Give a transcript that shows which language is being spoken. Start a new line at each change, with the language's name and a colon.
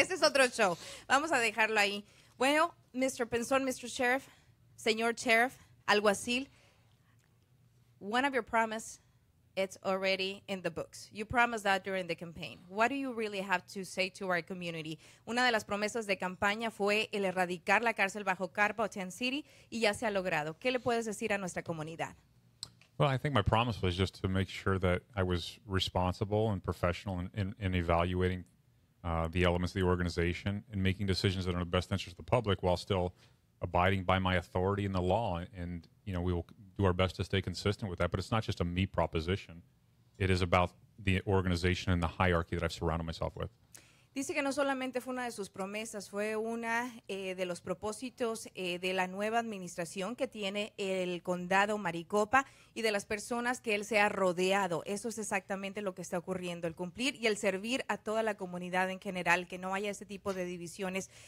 Spanish: Este es otro show. Vamos a dejarlo ahí. Bueno, Mr. Pinzón, Mr.
English: Sheriff,
Spanish: señor Sheriff, alguacil,
English: one of your promise, it's already in the books. You promised that during the campaign. What do you really have to say to our community?
Spanish: Una de las promesas de campaña fue el erradicar la cárcel bajo carpa o Ten City, y ya se ha logrado. ¿Qué le puedes decir a nuestra comunidad?
English: Well, I think my promise was just to make sure that I was responsible and professional in evaluating the elements of the organization and making decisions that are in the best interest of the public while still abiding by my authority and the law. And, you know, we will do our best to stay consistent with that. But it's not just a me proposition. It is about the organization and the hierarchy that I've surrounded myself with.
Spanish: Dice que no solamente fue una de sus promesas, fue una de los propósitos de la nueva administración que tiene el condado Maricopa y de las personas que él se ha rodeado. Eso es exactamente lo que está ocurriendo, el cumplir y el servir a toda la comunidad en general, que no haya ese tipo de divisiones.